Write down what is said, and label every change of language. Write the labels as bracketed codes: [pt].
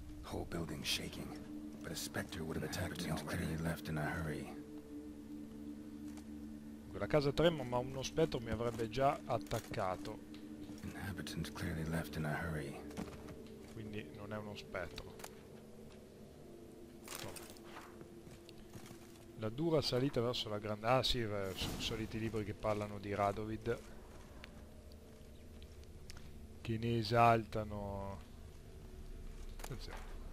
[en] Whole building shaking, but a specter would have attacked me already and left in a hurry. [it] La casa tremo, ma uno spettro mi avrebbe già attaccato. [en] Inhabitants clearly left in a hurry. [it] Quindi non è uno spettro. La dura salita verso la grande... Ah sì, sono soliti libri che parlano di Radovid. Che ne esaltano... Attenzione.